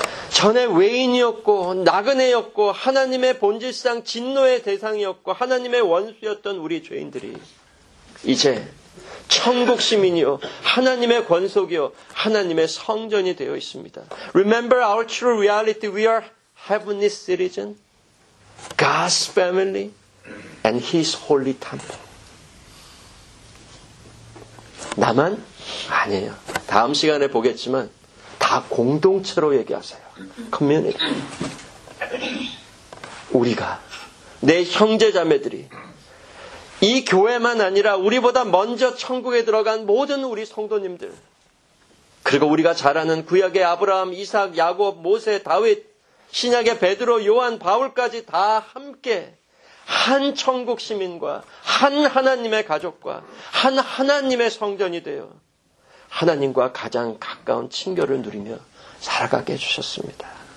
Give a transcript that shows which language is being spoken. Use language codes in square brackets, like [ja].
[ko] 전에 외인이었고 나그네였고 하나님의 본질상 진노의 대상이었고 하나님의 원수였던 우리 죄인들이 이제 천국 시민이요 하나님의 권속이요 하나님의 성전이 되어 있습니다. [en] Remember our true reality. We are heavenly citizen, God's family, and His holy temple. [ko] 나만 아니에요. 다음 시간에 보겠지만 다 공동체로 얘기하세요. [en] Community. [ko] 우리가 내 형제 자매들이. 이 교회만 아니라 우리보다 먼저 천국에 들어간 모든 우리 성도님들 그리고 우리가 잘 아는 구약의 아브라함, 이삭, 야곱, 모세, 다윗 신약의 베드로, 요한, 바울까지 다 함께 한 천국 시민과 한 하나님의 가족과 한 하나님의 성전이 되어 하나님과 가장 가까운 친교를 누리며 살아가게 해주셨습니다.